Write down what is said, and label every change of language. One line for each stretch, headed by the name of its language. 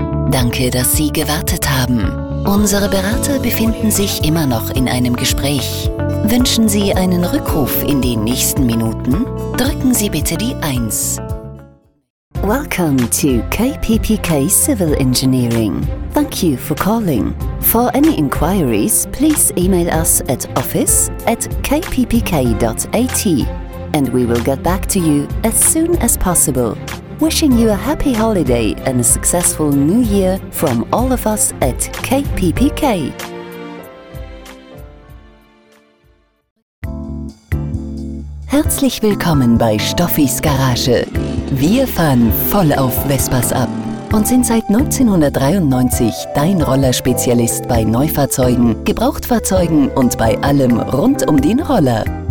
German: Danke, dass Sie gewartet haben. Unsere Berater befinden sich immer noch in einem Gespräch. Wünschen Sie einen Rückruf in den nächsten Minuten? Drücken Sie bitte die 1.
English: Welcome to KPPK Civil Engineering. Thank you for calling. For any inquiries, please email us at office@kppk.at and we will get back to you as soon as possible. Wishing you a happy holiday and a successful new year from all of us at KPPK.
German: Herzlich willkommen bei Stoffis Garage. Wir fahren voll auf Vespas ab und sind seit 1993 dein Rollerspezialist bei Neufahrzeugen, Gebrauchtfahrzeugen und bei allem rund um den Roller.